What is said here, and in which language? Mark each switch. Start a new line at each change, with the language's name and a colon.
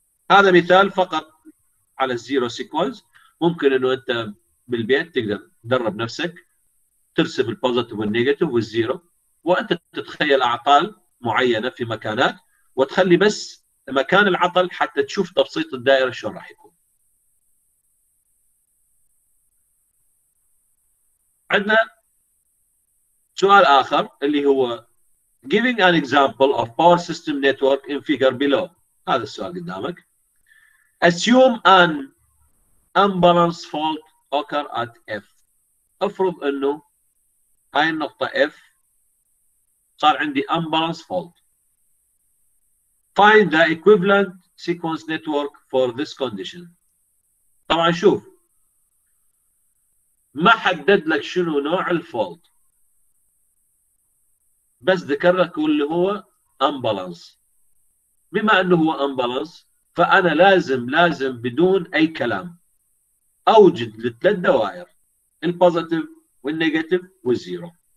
Arabic: هذا مثال فقط على الزيرو سيكونس. ممكن انه انت بالبيت تقدر تدرب نفسك ترسم البوزيتيف والنيجاتيف والزيرو، وانت تتخيل اعطال معينه في مكانات وتخلي بس مكان العطل حتى تشوف تبسيط الدائره شلون راح يكون. عندنا سؤال اخر اللي هو
English: giving an example of power system network in figure below.
Arabic: هذا السؤال قدامك.
English: Assume an unbalanced fault occur at F.
Arabic: افرض انه هاي النقطة F صار عندي unbalanced fault.
English: Find the equivalent sequence network for this condition.
Arabic: طبعا شوف، ما حدد لك شنو نوع الفولت، بس ذكر لك اللي هو امبالانس. بما انه هو امبالانس فانا لازم بدون اي كلام اوجد للثلاث دوائر البوزيتيف والنيجاتيف والزيرو.